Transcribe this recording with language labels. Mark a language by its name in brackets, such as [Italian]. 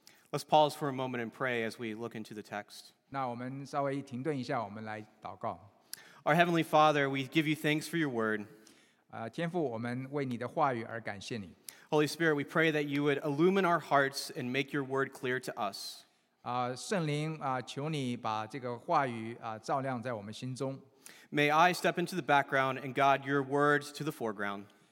[English] Let's pause for a moment and pray as we look into the text. [Chinese] 那我们稍微停顿一下，我们来祷告。 [English] Our Heavenly Father, we give you thanks for your word. [Chinese] 天父，我们为你的话语而感谢你。 [English] Holy Spirit, we pray that you would illumine our hearts and make your word clear to us. [Chinese] 圣灵，求你把这个话语照亮在我们心中。 [English] May I step into the background and God, your word to the foreground.